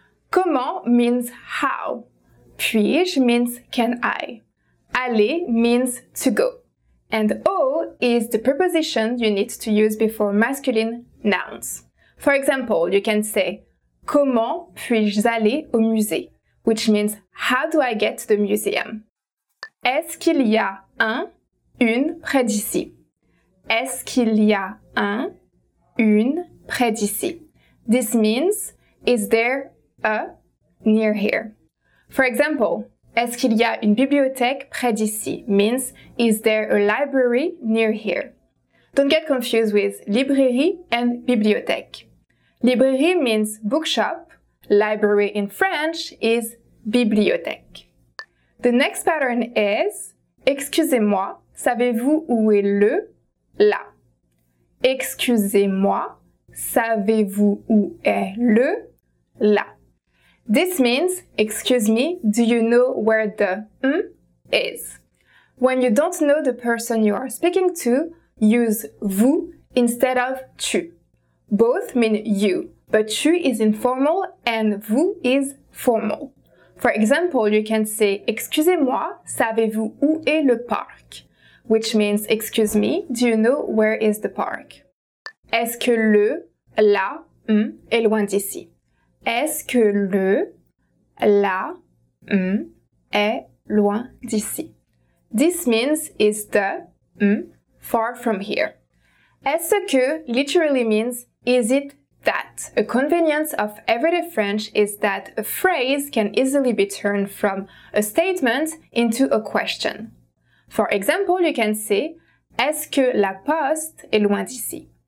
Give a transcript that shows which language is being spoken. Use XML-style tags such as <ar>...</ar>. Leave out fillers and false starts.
<en>Comment means how. Puis-je means can I. Aller means to go. And au is the preposition you need to use before masculine nouns. For example, you can say</en> <fr>comment puis-je aller au musée?</fr> <en>Which means, how do I get to the museum?</en> <fr>Est-ce qu'il y a un, une près d'ici? Est-ce qu'il y a un, une près d'ici?</fr> <en>This means, is there a near here? For example,</en> <fr>est-ce qu'il y a une bibliothèque près d'ici?</fr> <en>Means, is there a library near here? Don't get confused with librairie and bibliothèque. Librairie means bookshop. Library in French is bibliothèque. The next pattern is,</en> <fr>excusez-moi, savez-vous où est le, la? Excusez-moi, savez-vous où est le, la?</fr> <en>This means, excuse me, do you know where the is? When you don't know the person you are speaking to, use vous instead of tu. Both mean you, but tu is informal and vous is formal. For example, you can say,</en> <fr>excusez-moi, savez-vous où est le parc?</fr> <en>Which means, excuse me, do you know where is the park?</en> <fr>Est-ce que le, la, est loin d'ici? Est-ce que le, la, est loin d'ici?</fr> <en>This means, is the, far from here? Est-ce que literally means, is it that? A convenience of everyday French is that a phrase can easily be turned from a statement into a question. For example, you can say,</en> <fr>est-ce que la poste est loin d'ici?</fr>